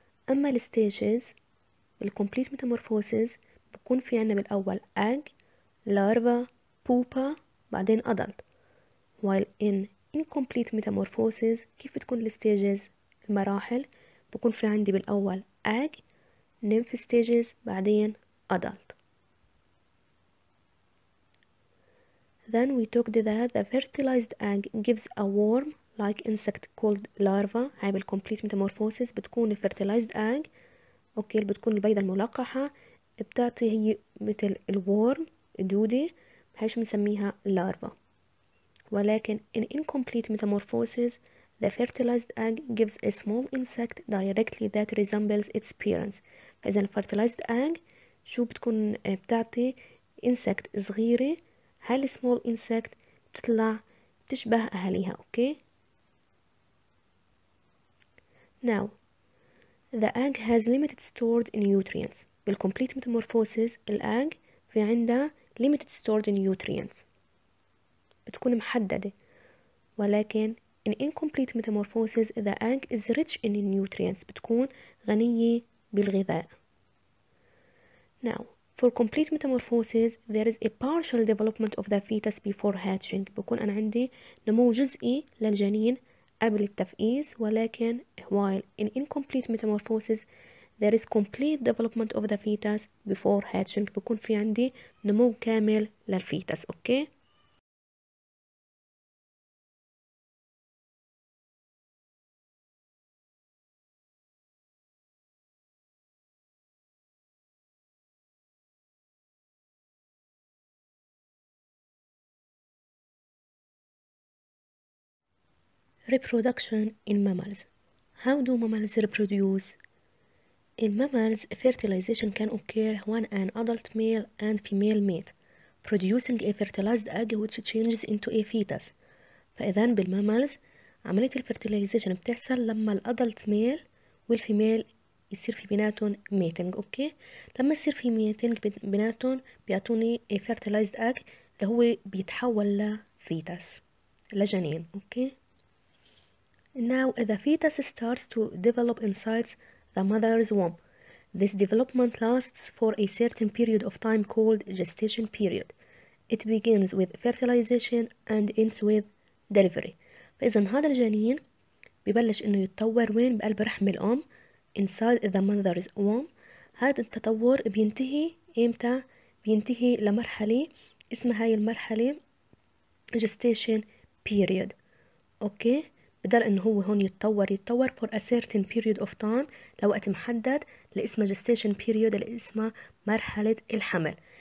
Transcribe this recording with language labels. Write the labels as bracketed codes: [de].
[ar] أما الستيشز بالcomplete metamorphosis بكون في عنا بالأول egg, larva, pupa, بعدين adult. [en] while in incomplete metamorphosis [ar] كيف بتكون الستيجز المراحل؟ بكون في عندي بالأول egg, nymph stages, بعدين adult. [en] then we talked that the fertilized egg gives a worm like insect called larva. [ar] هاي بالcomplete metamorphosis بتكون fertilized egg. اوكي بتكون البيضة الملقحة بتعطي هي مثل الورم الدودة هيش بنسميها لارفا. [en] ولكن in incomplete metamorphosis the fertilized egg gives a small insect directly that resembles its parents. [ar] فإذا fertilized egg شو بتكون بتعطي insect صغيرة هال [en] small insect [ar] بتطلع بتشبه أهليها. [en] Okay now the egg has limited stored nutrients. [ar] بالcomplete metamorphosis الأج في عندها [en] limited stored nutrients [ar] بتكون محددة. [en] ولكن in incomplete metamorphosis the egg is rich in nutrients [ar] بتكون غنية بالغذاء. [en] now for complete metamorphosis there is a partial development of the fetus before hatching. [ar] بكون أنا عندي نمو جزئي للجنين قبل التفئيس. [en] ولكن while in incomplete metamorphosis there is complete development of the fetus before hatching. [ar] بكون في عندي نمو كامل للفيتس. [en] Okay reproduction in mammals. how do mammals reproduce? In mammals, fertilization can occur when an adult male and female mate, producing a fertilized egg which changes into a fetus. [ar] فإذا بالmammals عملية الفertilization بتحصل لما الadult male والfemale يصير في بيناتهم mating. أوكي؟ لما يصير في mating بيناتهم بيعطوني [en] a fertilized egg [ar] اللي هو بيتحول لفيتس لجنين. [en] Okay? Now, the fetus starts to develop inside the mother's womb. This development lasts for a certain period of time called gestation period. It begins with fertilization and ends with delivery. [ar] فإذا هذا الجنين ببلش إنه يتطور وين بقلب رحم الأم [en] inside the mother's womb. [ar] هذا التطور بينتهي إمتى؟ بينتهي لمرحلة اسمها هاي المرحلة gestation period. أوكي؟ بدل إن هو هون يتطور [en] for a certain period of time [ar] لوقت محدد لإسمه gestation period اللي اسمه مرحلة الحمل.